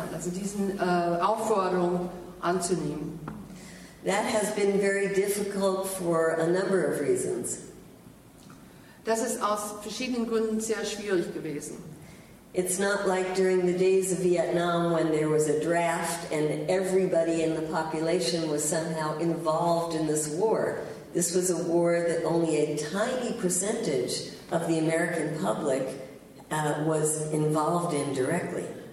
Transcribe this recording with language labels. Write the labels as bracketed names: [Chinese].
[German] diesen Aufforderung anzunehmen. [English] That has been very difficult for a number of reasons. [German] Das ist aus verschiedenen Gründen sehr schwierig gewesen. [English] It's not like during the days of Vietnam when there was a draft and everybody in the population was somehow involved in this war. This was a war that only a tiny percentage of the American public was involved in directly.